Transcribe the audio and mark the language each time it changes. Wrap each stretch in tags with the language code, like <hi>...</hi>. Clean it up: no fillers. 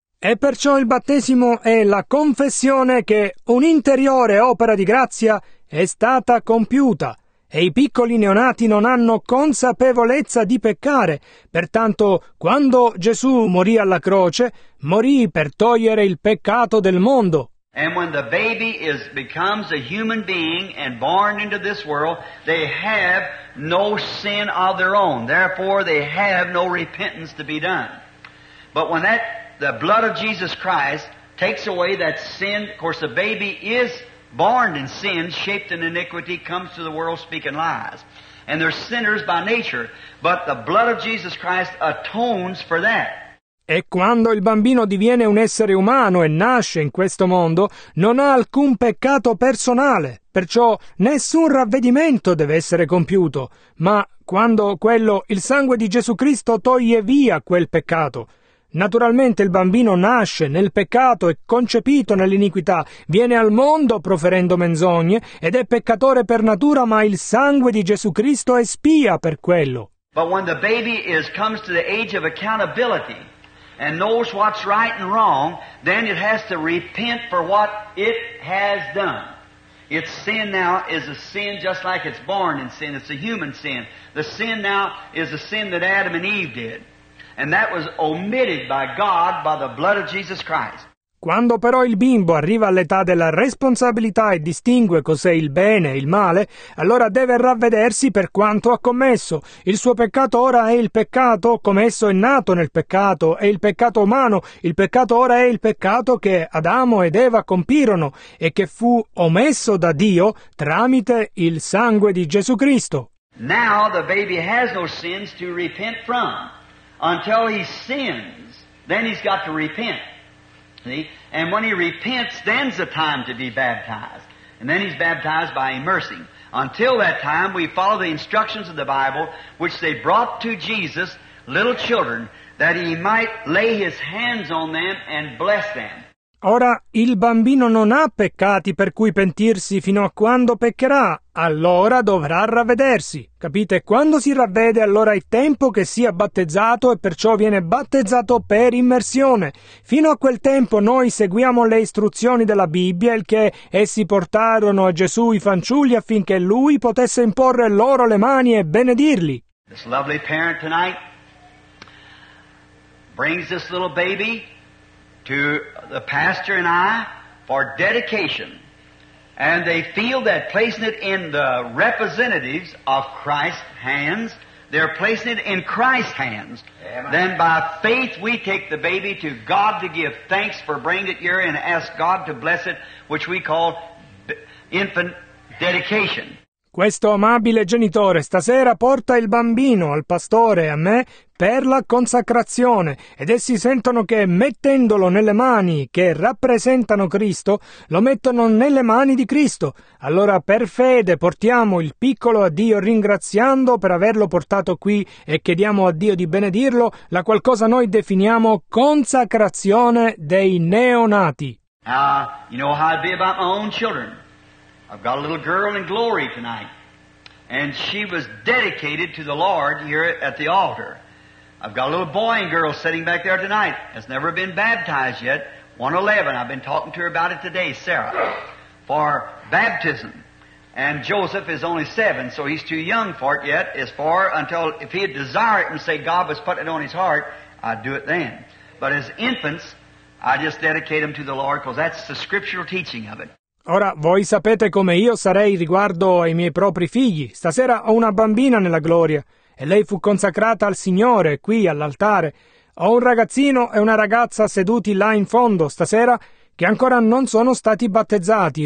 <it>E perciò il battesimo è la confessione che un'interiore opera di grazia è stata compiuta. E i piccoli neonati non hanno consapevolezza di peccare. Pertanto, quando Gesù morì alla croce, morì per togliere il peccato del mondo.</it> <en>And when the baby is becomes a human being and born into this world, they have no sin of their own. Therefore, they have no repentance to be done. But when that the blood of Jesus Christ takes away that sin, of course, the baby is born in sin, shaped in iniquity, comes to the world speaking lies. And they're sinners by nature. But the blood of Jesus Christ atones for that.</en> <it>E quando il bambino diviene un essere umano e nasce in questo mondo, non ha alcun peccato personale, perciò nessun ravvedimento deve essere compiuto. Ma quando quello, il sangue di Gesù Cristo toglie via quel peccato. Naturalmente il bambino nasce nel peccato e concepito nell'iniquità, viene al mondo proferendo menzogne ed è peccatore per natura, ma il sangue di Gesù Cristo espia per quello.</it> <en>But when the baby comes to the age of accountability, and knows what's right and wrong, then it has to repent for what it has done. Its sin now is a sin just like it's born in sin. It's a human sin. The sin now is a sin that Adam and Eve did. And that was omitted by God by the blood of Jesus Christ.</en> <it>Quando però il bimbo arriva all'età della responsabilità e distingue cos'è il bene e il male, allora deve ravvedersi per quanto ha commesso. Il suo peccato ora è il peccato, come esso è nato nel peccato, è il peccato umano. Il peccato ora è il peccato che Adamo ed Eva compirono e che fu omesso da Dio tramite il sangue di Gesù Cristo.</it> <en>Now the baby has no sins to repent from. Until he sins, then he's got to repent. See? And when he repents, then's the time to be baptized. And then he's baptized by immersing. Until that time, we follow the instructions of the Bible, which they brought to Jesus, little children, that he might lay his hands on them and bless them.</en> <it>Ora, il bambino non ha peccati per cui pentirsi fino a quando peccherà. Allora dovrà ravvedersi. Capite? Quando si ravvede, allora è tempo che sia battezzato e perciò viene battezzato per immersione. Fino a quel tempo noi seguiamo le istruzioni della Bibbia, il che essi portarono a Gesù i fanciulli affinché lui potesse imporre loro le mani e benedirli.</it> <en>This lovely parent tonight brings this little baby to the pastor and I for dedication. And they feel that placing it in the representatives of Christ's hands they're placing it in Christ's hands. Amen. Then by faith we take the baby to God to give thanks for bringing it here and ask God to bless it, which we call infant dedication.</en> <it>Questo amabile genitore stasera porta il bambino al pastore e a me per la consacrazione, ed essi sentono che mettendolo nelle mani che rappresentano Cristo, lo mettono nelle mani di Cristo. Allora per fede portiamo il piccolo a Dio ringraziando per averlo portato qui e chiediamo a Dio di benedirlo, la qualcosa noi definiamo consacrazione dei neonati.</it> <en>You know how I'd be about my own children. I've got a little girl in glory tonight, and she was dedicated to the Lord here at the altar. I've got a little boy and girl sitting back there tonight, has never been baptized yet, 111. I've been talking to her about it today, Sarah, for baptism. And Joseph is only 7, so he's too young for it yet, as far until if he had desired it and say God was putting it on his heart, I'd do it then. But as infants, I just dedicate them to the Lord, because that's the scriptural teaching of it.</en> <it>Ora, voi sapete come io sarei riguardo ai miei propri figli. Stasera ho una bambina nella gloria e lei fu consacrata al Signore qui all'altare. Ho un ragazzino e una ragazza seduti là in fondo stasera che ancora non sono stati battezzati.</it>